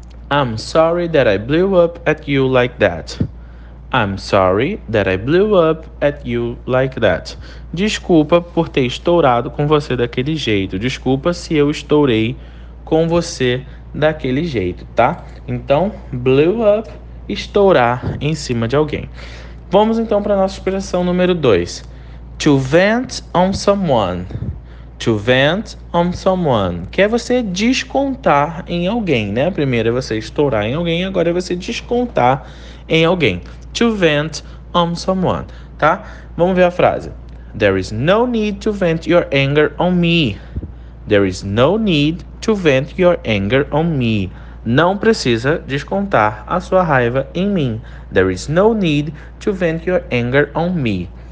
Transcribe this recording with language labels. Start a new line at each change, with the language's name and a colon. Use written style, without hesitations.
English: I'm sorry that I blew up at you like that. I'm sorry that I blew up at you like that.
Portuguese: Desculpa por ter estourado com você daquele jeito. Desculpa se eu estourei com você daquele jeito, tá? Então,
English: blew up,
Portuguese: estourar em cima de alguém. Vamos então para a nossa expressão número 2.
English: To vent on someone. To vent on someone.
Portuguese: Que é você descontar em alguém, né? Primeiro é você estourar em alguém, agora é você descontar em alguém.
English: To vent on someone,
Portuguese: tá? Vamos ver a frase.
English: There is no need to vent your anger on me. There is no need to vent your anger on me.
Portuguese: Não precisa descontar a sua raiva em mim.
English: There is no need to vent your anger on me.